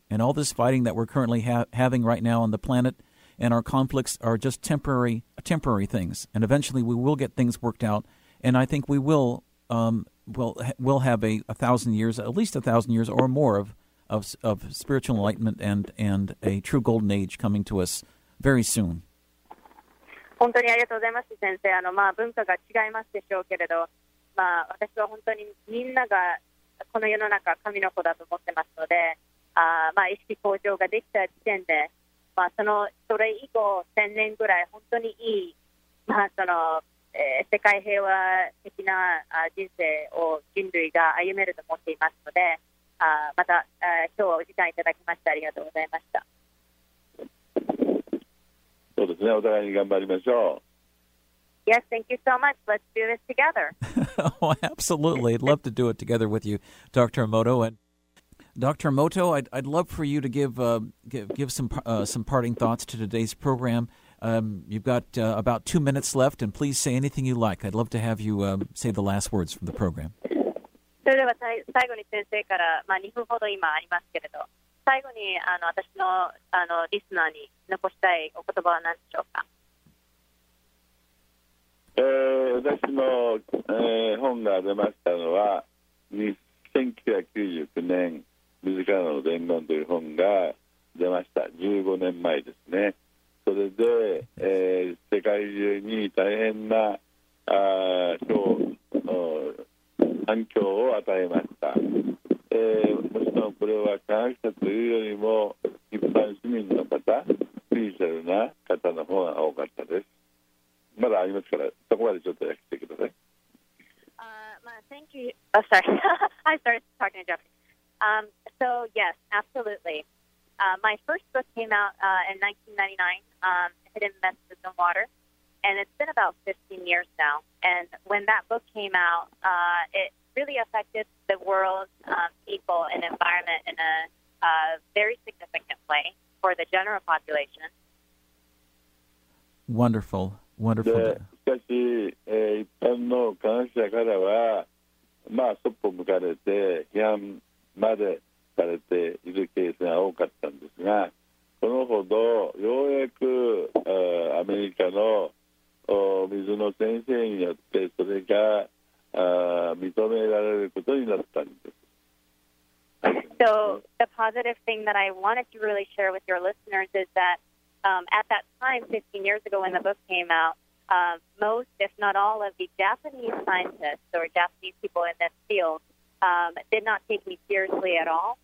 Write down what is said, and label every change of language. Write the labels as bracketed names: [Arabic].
[English] And all this fighting that we're currently having right now on the planet and our conflicts are just temporary things. And eventually we will get things worked out. And I think we will we'll have a thousand years, at least a thousand years or more of spiritual enlightenment and a true golden age coming to us very soon. [Japanese] 本当にありがとうございます、先生。文化が違いますでしょうけれど、私は本当にみんながこの世の中は神の子だと思ってますので、意識向上ができた時点で、それ以降1000年ぐらい本当にいい、世界平和的な人生を人類が歩めると思っていますので、また今日はお時間いただきましてありがとうございました。そうですね、お互いに頑張りましょう。 [English] Yes, thank you so much. Let's do this together. Oh, absolutely. I'd love to do it together with you, Dr. Moto. And Dr. Moto, I'd love for you to give some parting thoughts to today's program. You've got about 2 minutes left, and please say anything you like. I'd love to have you say the last words from the program. [Japanese] それでは最後に先生から2分ほど今ありますけれど、最後に私のリスナーに残したいお言葉は何でしょうか。私の、本が出ましたのは1999年、自らの伝言という本が出ました。 15年前ですね。それで、世界中に大変な反響を与えました。もちろんこれは科学者というよりも一般市民の方、スピリチュアルな方の方が多かったです。まだありますから、そこまでちょっと来てください。 [English] Thank you. Oh, sorry. I started talking in Japanese. So, yes, absolutely. My first book came out in 1999, Hidden Messages in Water, and it's been about 15 years now. And when that book came out, it really affected the world, people, and environment in a very significant way for the general population. Wonderful, wonderful. [Japanese] しかし、一般の科学者からは、まあ、そっぽ向かれて、批判までされているケースが多かったんですが、このほど、ようやく、アメリカの水の先生によって、それが認められることになったんです。 [English] So, the positive thing that I wanted to really share with your listeners is that at that time, 15 years ago when the book came out, most, if not all, of the Japanese scientists or Japanese people in this field did not take me seriously at all.